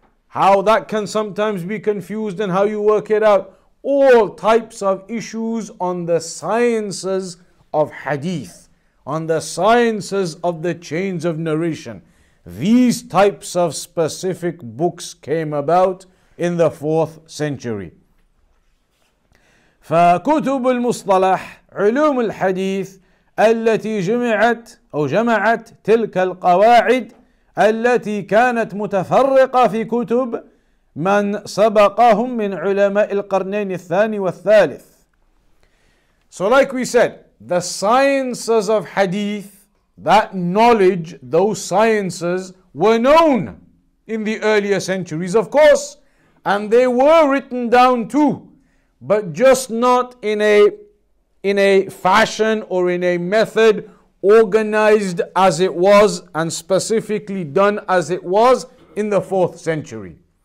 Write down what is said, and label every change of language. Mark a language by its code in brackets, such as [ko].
[en] How that can sometimes be confused and how you work it out. All types of issues on the sciences of hadith, on the sciences of the chains of narration. These types of specific books came about in the 4th century. [ar] فكتب المصطلح علوم الحديث التي جمعت أو جمعت تلك القواعد التي كانت متفرقة في كتب من سبقهم من علماء القرنين الثاني والثالث. [en] So like we said, the sciences of hadith, that knowledge, those sciences were known in the earlier centuries, of course, and they were written down too, but just not in a fashion or in a method organized as it was and specifically done as it was in the 4th century.